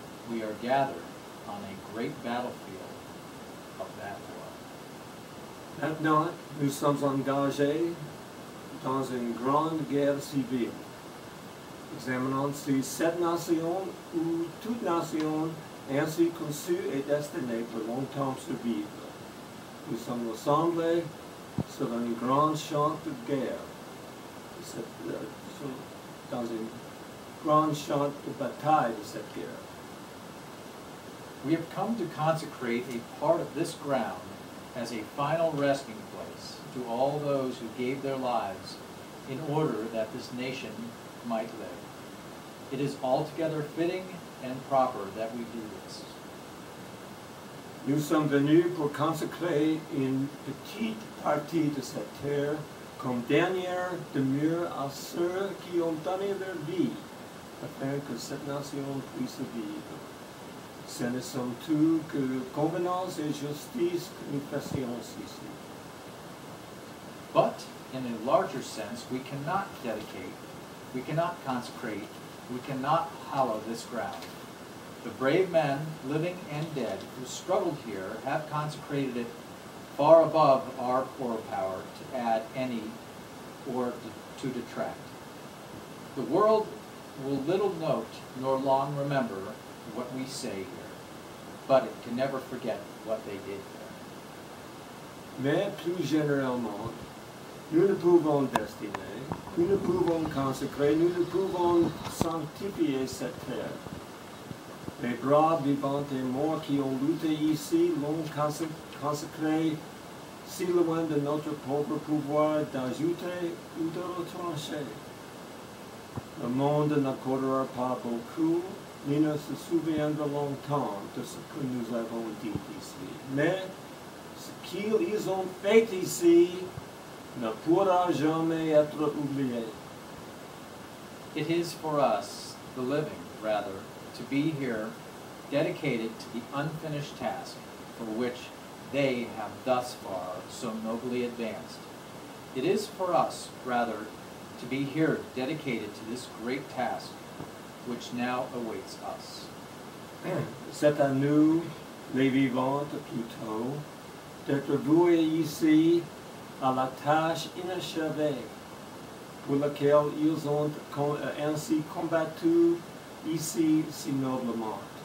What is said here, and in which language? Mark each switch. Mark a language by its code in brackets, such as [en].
[en] We are gathered on a great battlefield of that war. [fr] Maintenant, nous sommes engagés dans une grande guerre civile, examinant si cette nation ou toute nation ainsi conçue est destinée pour longtemps survivre. Nous sommes rassemblés sur un grand champ de guerre, dans un grand champ de bataille de cette guerre. [en] We have come to consecrate a part of this ground as a final resting place to all those who gave their lives in order that this nation might live. It is altogether fitting and proper that we do this. [fr] Nous sommes venus pour consacrer une petite partie de cette terre comme dernière demeure à ceux qui ont donné leur vie afin que cette nation puisse vivre. Ce ne sont tout que convenance et justice que nous passions ici. [en] But, in a larger sense, we cannot dedicate, we cannot consecrate, we cannot hallow this ground. The brave men, living and dead, who struggled here have consecrated it far above our poor power to add any or to detract. The world will little note nor long remember what we say here, but it can never forget what they did there. [fr] Mais plus généralement, nous ne pouvons destiner, nous ne pouvons consacrer, nous ne pouvons sanctifier cette terre. Les bras vivants et morts qui ont lutté ici l'ont consacré si loin de notre pauvre pouvoir d'ajouter ou de retrancher. Le monde n'accordera pas beaucoup, ni ne se souviendra longtemps de ce que nous avons dit ici. Mais ce qu'ils ont fait ici ne pourra jamais être oublié. [en] It is for us, the living, rather, to be here dedicated to the unfinished task for which they have thus far so nobly advanced. It is for us, rather, to be here dedicated to this great task which now awaits us. [fr] C'est à nous, les vivants plutôt, d'être voués ici à la tâche inachevée pour laquelle ils ont ainsi combattu ici si noblement.